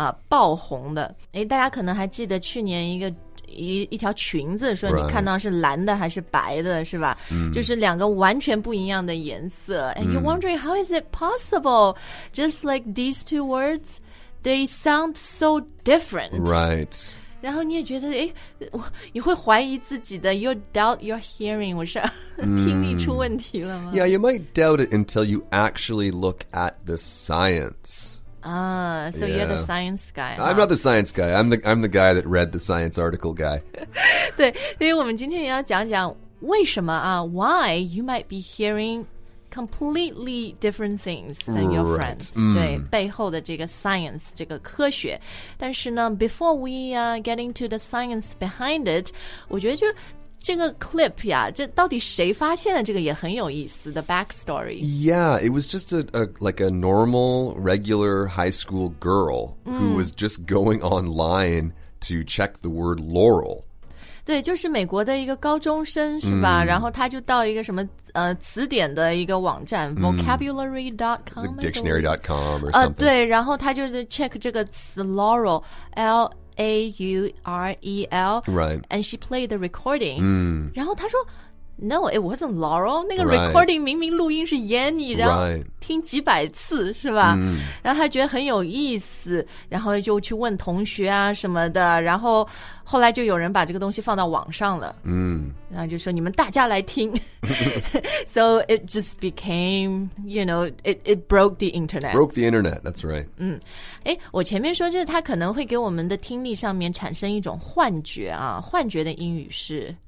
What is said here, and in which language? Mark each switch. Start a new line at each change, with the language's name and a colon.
Chinese: 爆红的，诶，大家可能还记得去年一条裙子，说你看到是蓝的还是白的，是吧、
English: right.
Chinese: 就是两个完全不一样的颜色、mm.
English: And you're wondering how is it possible, just like these two words, they sound so different. Right.
Chinese: 然后你也觉得，诶，你会怀疑自己的，
English: you doubt your hearing,
Chinese: 我是、mm. 听力出问题了吗？
English: Yeah, you might doubt it until you actually look at the science. So yeah. You're the science guy. I'm not the science guy. I'm the guy that read the science article guy.
Chinese: 对，所以我们今天也要讲讲为什么啊
English: ，why you might be hearing completely different things than your friends.、 Right. Mm.
Chinese: 对，背后的这个 science 这个科学。但是呢 ，
English: before we get into the science behind it,
Chinese: 我觉得就这个 clip 呀，这到底谁发现的这个也很有意思 ,
English: the backstory. Yeah, it was just a normal, regular high school girl、mm. who was just going online to check the word Laurel.
Chinese: 对，就是美国的一个高中生是吧、mm. 然后他就到一个什么词典的一个网站、mm.
English: vocabulary.com、 like、dictionary.com or something.
Chinese: 对，然后他就 check 这个词 Laurel, L-A-U-R-E-L.
English: Right. And she played the recording.、 Mm.
Chinese: 然后她说
English: No, it wasn't Laurel.
Chinese: 那个 recording、
English: right.
Chinese: 明明录音是 Yanny. 然后听几百次、
English: right.
Chinese: 是吧、mm. 然后她觉得很有意思，然后就去问同学啊什么的，然后后来就有人把这个东西放到网上了、 mm. 然后就说你们大家来听。
English: So it just became, you know, it broke the internet. Broke the internet, that's right.
Chinese: 嗯，诶，我前面说就是它可能会给我们的听力上面产生一种幻觉啊，幻觉的英语是